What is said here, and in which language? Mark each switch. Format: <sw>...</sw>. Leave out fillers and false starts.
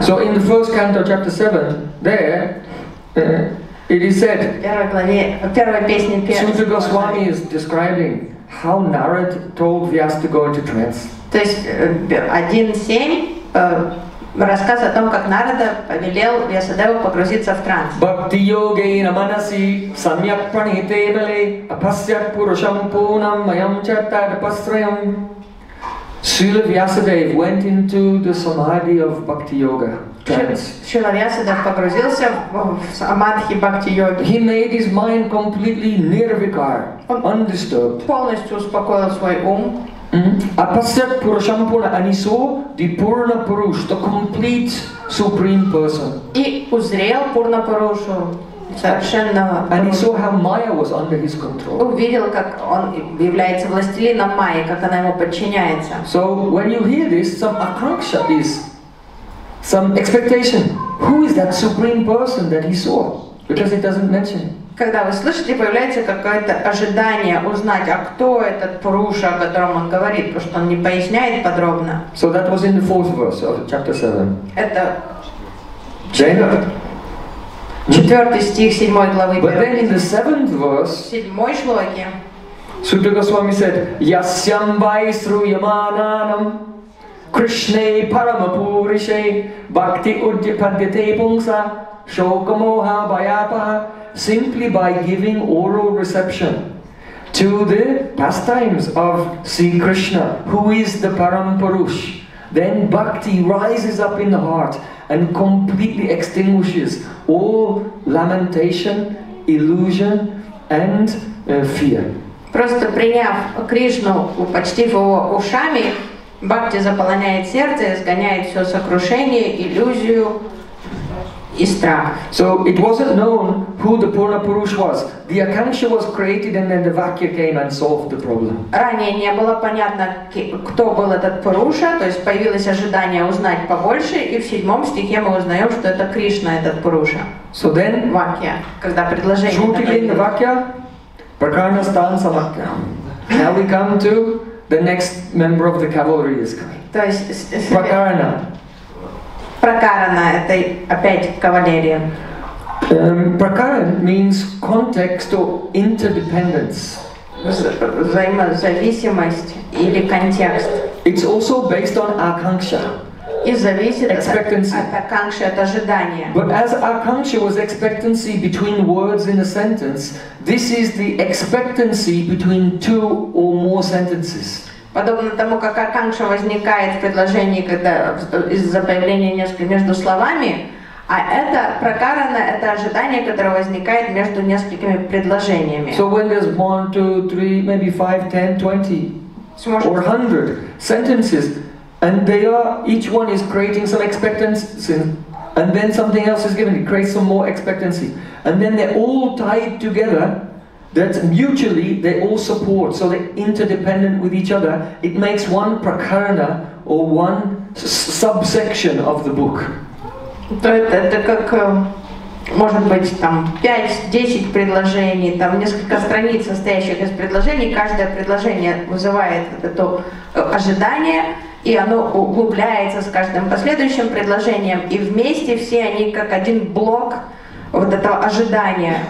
<en>So in the first canto, chapter 7, there, it is said, Śrīmad Gosvāmī is describing how Narad told Vyas to go into trance.</en> <ru>То есть 1.7 рассказ о том, как Нарада повелел Вьясадеву погрузиться в транс.</ru> <sa>Бхакти йогейна манаси самьяк пранхите бале апасьяк пурушам пунам майам чаттад апасрайам.</sa> <en>Śrīla Vyasadeva went into the samadhi of bhakti yoga.</en> <ru>Śrīla Vyasadeva погрузился в самадхи бхакти йоги.</ru> <en>He made his mind completely nirvikar, undisturbed.</en> <ru>Полностью успокоил свой ум.</ru> <sa>Апасьяк пурушам пунам,</sa> <en>and he saw the Purna Purush, the complete supreme person.</en> <ru>И узрел Пурна Пурушу.</ru> <en>And he saw how Maya was under his control. Увидел, как он является властелином Майи, как она ему подчиняется. So when you hear this, some akanksha is, some expectation. Who is that supreme person that he saw? Because it doesn't mention.</en> <ru>Когда вы слышите, появляется какое-то ожидание узнать, а кто этот Пуруша, о котором он говорит, потому что он не поясняет подробно.</ru> <en>So that was in the fourth verse of chapter 7.</en> <ru>Это четвертый стих седьмой главы.</ru> <en>But then in the seventh verse,</en> <ru>седьмой шлоке,</ru> <en>Śrīla Gosvāmī said,</en> <sa>Yasyam vai sruyamānānam Krishne paramapurishe bhakti udyapadyate pungsa shokamoha bayapaha.</sa> <en>Simply by giving oral reception to the pastimes of Sri Krishna, who is the Parampurush, then bhakti rises up in the heart and completely extinguishes all lamentation, illusion, and fear.</en> <ru>Просто приняв Кришну, почтив его ушами, бхакти заполняет сердце, изгоняет все сокрушение, иллюзию и страх.</ru> <en>So it wasn't known who the Purna Purush was. The Akanksha was created and then the Vakya came and solved the problem.</en> <ru>Ранее не было понятно, кто был этот Пуруша, то есть появилось ожидание узнать побольше, и в седьмом стихе мы узнаем, что это Кришна, этот Пуруша.</ru> <en>So then,</en> <ru>Vakya, когда предложение... Шутилин Vakya, Prakarna Stansa Vakya.</ru> <en>Now we come to the next member of the cavalry is coming.</en> <ru>То есть...</ru> <sa>Prakarna.</sa> <ru>Prakarana, это опять кавалерия.</ru> <en>Prakarana means context or interdependence.</en> <ru>Взаимозависимость или контекст.</ru> <en>It's also based on akanksha.</en> <ru>И зависит</ru> <en>expectancy.</en> <ru>От акангши, от ожидания.</ru> <en>But as akanksha was expectancy between words in a sentence, this is the expectancy between two or more sentences.</en> <ru>Подобно тому, как акангша возникает в предложении, когда из-за появления нескольких между словами, а это прокарана, это ожидание, которое возникает между несколькими предложениями.</ru> <en>So when there's 1, 2, 3, maybe 5, 10, 20 or 100 sentences, and they are each one is creating some expectancy, and then something else is given, it creates some more expectancy, and then they're all tied together. That mutually they all support, so they're interdependent with each other. It makes one prakarana or one subsection of the book.</en> <ru>То это как может быть там 5-10 предложений, там несколько страниц, состоящих из предложений. Каждое предложение вызывает это ожидание, и оно углубляется с каждым последующим предложением. И вместе все они как один блок. Вот это ожидание.</ru>